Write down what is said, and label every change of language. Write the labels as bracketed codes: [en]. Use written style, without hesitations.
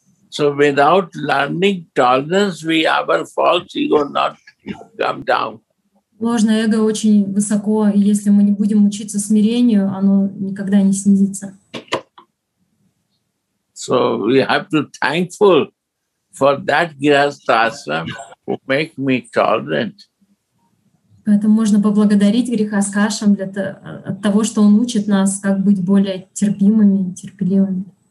[en] So without learning tolerance, we our false ego not come down. [ru] Ложное эго очень высоко, и если мы не будем учиться смирению, оно никогда не снизится. [en] So we have to thankful for that Grihastha who make me tolerant. [ru] Поэтому можно поблагодарить Грихаскашам для того, что он учит нас, как быть более терпимыми, терпеливыми.